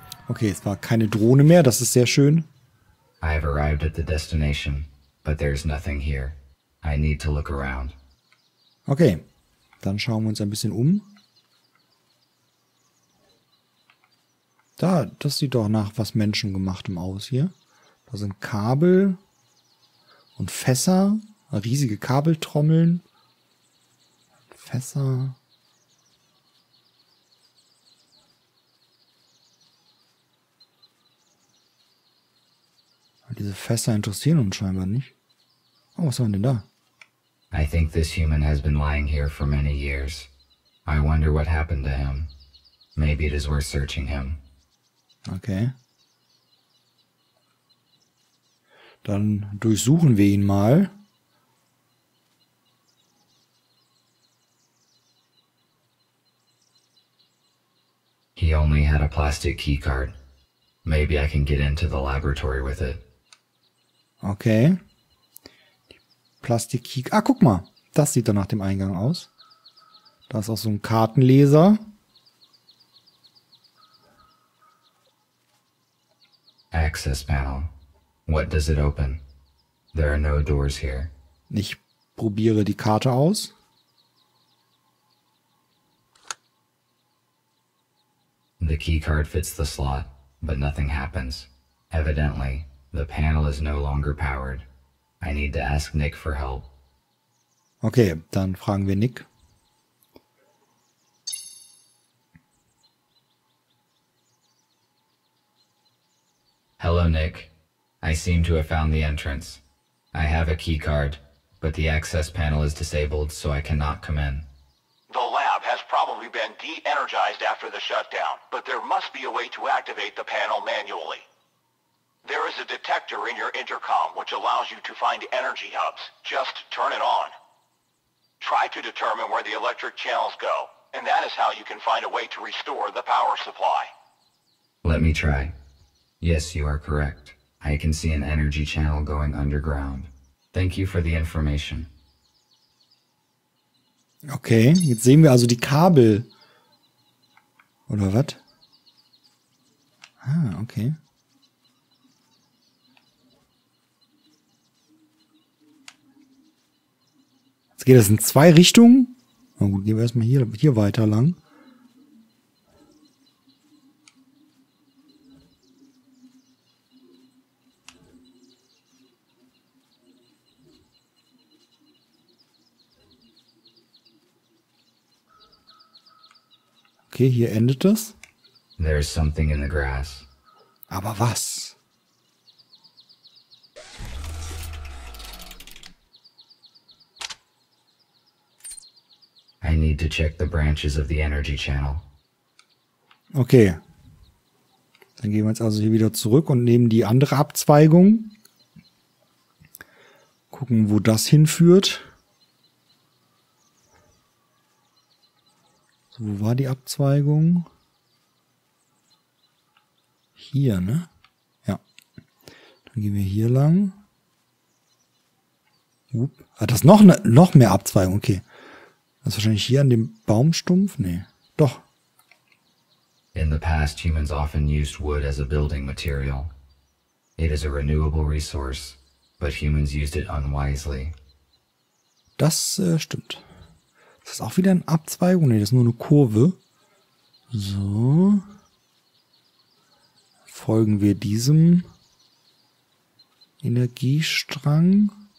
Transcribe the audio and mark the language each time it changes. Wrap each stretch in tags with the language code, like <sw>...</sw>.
<de>Okay, es war keine Drohne mehr, das ist sehr schön.</de> <en>I have arrived at the destination, but there is nothing here. I need to look around.</en> <de>Okay, dann schauen wir uns ein bisschen um. Da, das sieht doch nach was Menschengemachtem aus hier. Da sind Kabel und Fässer, riesige Kabeltrommeln. Fässer. Diese Fässer interessieren uns scheinbar nicht. Oh, was haben wir denn da?</de> <en>I think this human has been lying here for many years. I wonder what happened to him. Maybe it is worth searching him.</en> <de>Okay. Dann durchsuchen wir ihn mal.</de> <en>He only had a plastic keycard. Maybe I can get into the laboratory with it.</en> <de>Okay. Die Plastik-Key. Ah, guck mal. Das sieht doch nach dem Eingang aus. Da ist auch so ein Kartenleser.</de> <en>Access panel. What does it open? There are no doors here.</en> <de>Ich probiere die Karte aus.</de> <en>The key card fits the slot, but nothing happens. Evidently. The panel is no longer powered. I need to ask Nick for help.</en> <de>Okay, dann fragen wir Nick.</de> <en>Hello, Nick. I seem to have found the entrance. I have a key card, but the access panel is disabled, so I cannot come in. The lab has probably been de-energized after the shutdown, but there must be a way to activate the panel manually. There is a detector in your intercom which allows you to find energy hubs. Just turn it on. Try to determine where the electric channels go, and that is how you can find a way to restore the power supply. Let me try. Yes, you are correct. I can see an energy channel going underground. Thank you for the information.</en> <de>Okay, jetzt sehen wir also die Kabel. Oder was? Ah, okay. Jetzt geht das in zwei Richtungen. Na gut, gehen wir erstmal hier weiter lang. Okay, hier endet es.</de> <en>There is something in the grass.</en> <de>Aber was?</de> <en>I need to check the branches of the energy channel.</en> <de>Okay. Dann gehen wir jetzt also hier wieder zurück und nehmen die andere Abzweigung. Gucken, wo das hinführt. Wo war die Abzweigung? Hier, ne? Ja. Dann gehen wir hier lang. Upp. Ah, das ist noch mehr Abzweigung. Okay. Das ist wahrscheinlich hier an dem Baumstumpf? Nee. Doch.</de> <en>In the past, humans often used wood as a building material. It is a renewable resource, but humans used it unwisely.</en> <de>Das stimmt. Das ist auch wieder eine Abzweigung. Nee, das ist nur eine Kurve. So. Folgen wir diesem Energiestrang.</de>